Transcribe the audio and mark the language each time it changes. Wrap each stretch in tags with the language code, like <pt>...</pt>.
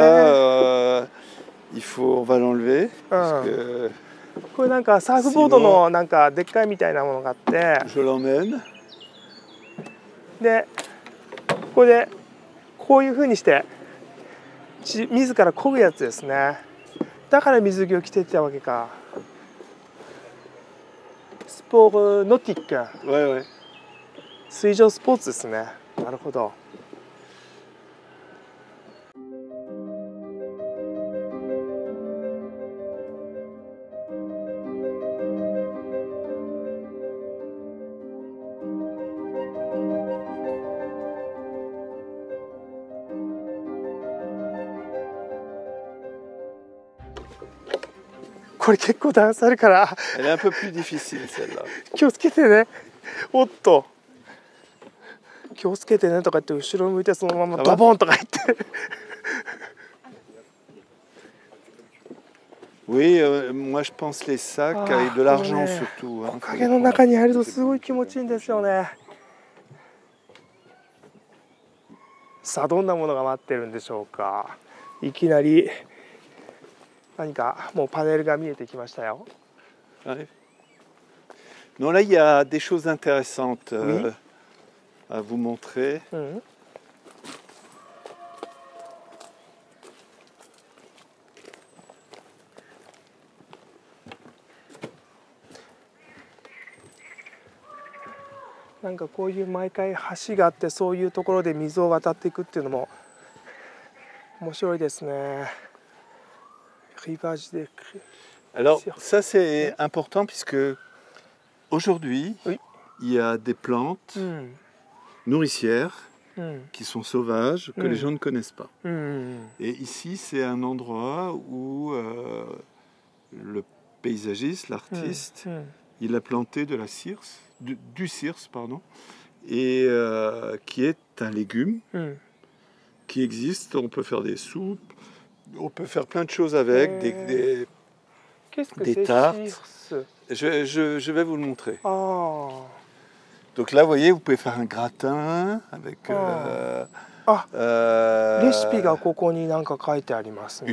<fr>Donc ça, il faut on va l'enlever parce que.</fr> <ja>これなんかサーフボードのなんかでっかいみたいなものがあってでここでこういうふうにして自ら漕ぐやつですね。だから水着を着てたわけか。スポーツノティック、水上スポーツですね。なるほど。これ結構段差あるから。</ja> <fr>Elle est un peu plus difficile, celle-là.</fr> <ja>気をつけてね。おっと。気をつけてねとか言って後ろ向いてそのままドボンとか言って。</ja> <fr>Oui, moi je pense les sacs et de l'argent surtout.</fr> <ja>木陰の中に入るとすごい気持ちいいんですよね。さあどんなものが待ってるんでしょうか。いきなり。何かもうパネルが見えてきましたよ。はい。</ja> <fr>Non, là, il y a des choses intéressantes à vous montrer. Mmh.</fr> <ja>んかこういう毎回橋があってそういうところで水を渡っていくっていうのも面白いですね。</ja> <fr>Rivage de Alors ça c'est important puisque aujourd'hui il y a des plantes nourricières qui sont sauvages que les gens ne connaissent pas. Et ici c'est un endroit où le paysagiste, l'artiste, il a planté de la cirse, du cirse pardon, et qui est un légume qui existe. On peut faire des soupes, on peut faire plein de choses avec des qu'est-ce que des c'est tartes. Cirse je vais vous le montrer. Oh. Donc là, vous voyez, vous pouvez faire un gratin avec.</fr> <ja>レシピがここになんか書いてありますね。</ja>